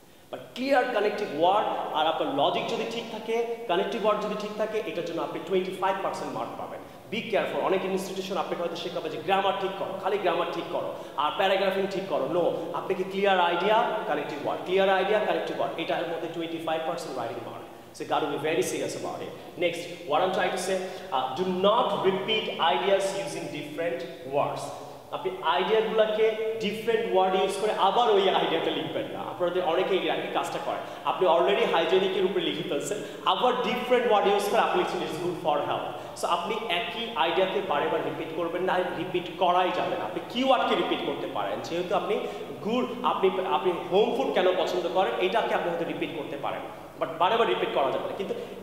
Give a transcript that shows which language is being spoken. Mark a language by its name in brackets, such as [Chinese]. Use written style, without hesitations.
[Bangla] But clear connective word আর আপনার logic যদি ঠিক থাকে কানেকটিভ ওয়ার্ড যদি ঠিক থাকে এটার জন্য আপনি 25% মার্ক পাবেন বি কেয়ারফুল অনেক ইনস্টিটিউশন আপনাকে হয়তো শেখাবে যে গ্রামার ঠিক করো খালি গ্রামার ঠিক করো আর প্যারাগ্রাফিং ঠিক করো নো আপনাকে clear idea connective word clear idea connective word এটার মধ্যে 25% writing mark [English] So you got to be very serious about it. Next, what I'm trying to say, do not repeat ideas using different words. [Bangla] আপনি আইডিয়াগুলোকে different word use করে আবার ওই আইডিয়াটা লিখবেন না আপনাদের অনেকে এই আগে কাজটা করেন আপনি অলরেডি হাইজেনিকের উপরে লিখে ফেলছেন আবার ডিফারেন্ট ওয়ার্ড ইউজ করে আপনি লিখছেন [English] it's good for health [Bangla] so আপনি একই আইডিয়াতে বারবার রিপিট করবেন না রিপিট করাই যাবে না আপনি কিওয়ার্ডকে রিপিট করতে পারেন যেহেতু আপনি গুড আপনি আপনি হোম ফুড কেন পছন্দ করেন এটাকে আপনি হয়তো রিপিট করতে পারেন বাট বারবার রিপিট করা যাবে না কিন্তু